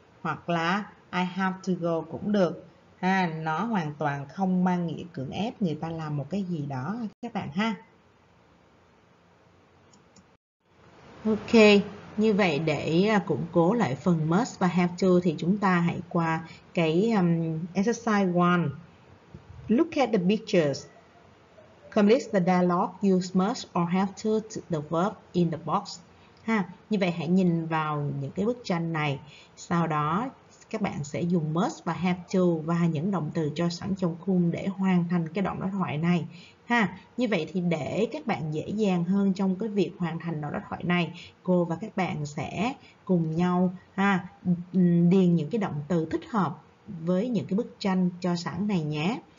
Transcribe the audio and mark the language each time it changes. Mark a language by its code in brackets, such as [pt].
[vi] Hoặc là [en] I have to go [vi] cũng được. Nó hoàn toàn không mang nghĩa cưỡng ép người ta làm một cái gì đó các bạn ha. Ok, như vậy để củng cố lại phần must và have to thì chúng ta hãy qua cái exercise 1. [en] Look at the pictures. Complete the dialogue, use must or have to the verb in the box. [vi] Như vậy hãy nhìn vào những cái bức tranh này, sau đó các bạn sẽ dùng must và have to và những động từ cho sẵn trong khung để hoàn thành cái đoạn đối thoại này. Như vậy thì để các bạn dễ dàng hơn trong cái việc hoàn thành đoạn đối thoại này, cô và các bạn sẽ cùng nhau điền những cái động từ thích hợp với những cái bức tranh cho sẵn này nhé.